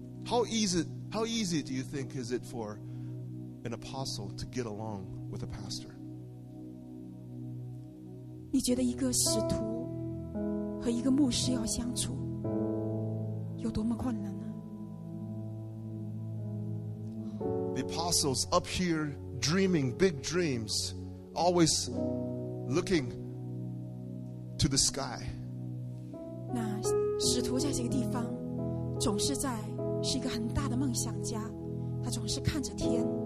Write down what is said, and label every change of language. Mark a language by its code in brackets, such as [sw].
[en] How easy do you think is it for an apostle to get along with a pastor? [zh] 你觉得一个使徒和一个牧师要相处有多么困难呢？ [en] The apostles up here dreaming big dreams, always looking to the sky. [zh] 那使徒在这个地方总是一个很大的梦想家，他总是看着天。